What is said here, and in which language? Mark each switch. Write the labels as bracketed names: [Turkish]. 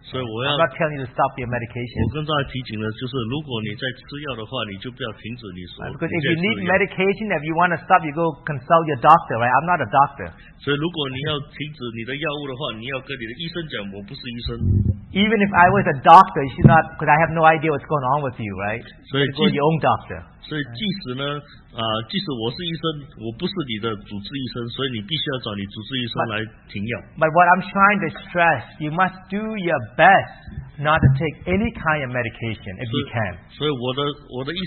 [English] I'm not telling you to stop your medication. Because if you need medication, if you want to stop, you go consult your doctor, right? I'm not a doctor. Even if I was a doctor, you should not, because I have no idea what's going on with you, right? So you should go to your own doctor. [Chinese] 即使我是医生，我不是你的主治医生，所以你必须要找你主治医生来停药。 [English] But what I'm trying to stress, you must do your best not to take any kind of medication if you can.